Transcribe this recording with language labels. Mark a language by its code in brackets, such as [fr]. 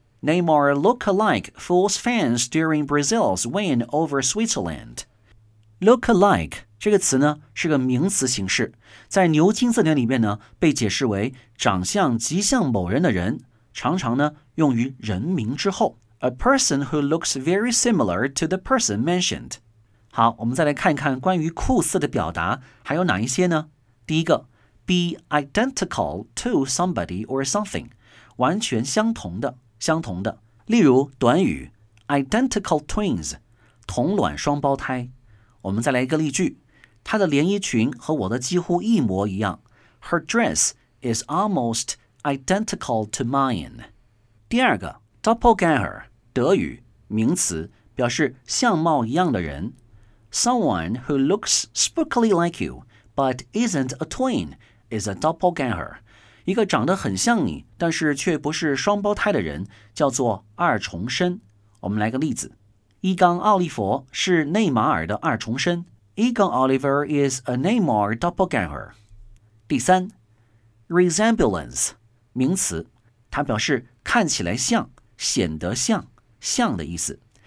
[en] Neymar look alike fools fans during Brazil's win over Switzerland。 [zh] look alike这个词呢是个名词形式，在牛津字典里面呢被解释为长相极像某人的人，常常呢用于人名之后。 [en] A person who looks very similar to the person mentioned。 [zh] 好，我们再来看看关于酷似的表达还有哪一些呢。第一个 [en] Be identical to somebody or something， [zh] 完全相同的，相同的。例如短语 Identical twins， 同卵双胞胎。我们再来一个例句，她的连衣裙和我的几乎一模一样。 [en] Her dress is almost identical to mine。 [zh] 第二个 Doppelganger， 德语，名词，表示相貌一样的人。 [en] Someone who looks spookily like you but isn't a twin is a doppelganger。 [zh] 一个长得很像你但是却不是双胞胎的人叫做二重身。我们来个例子，伊冈奥利佛是内马尔的二重身。 [en] Egan Oliver is a Neymar doppelganger。 [zh] 第三 Resemblance， 名词，它表示看起来像、显得像、像的意思。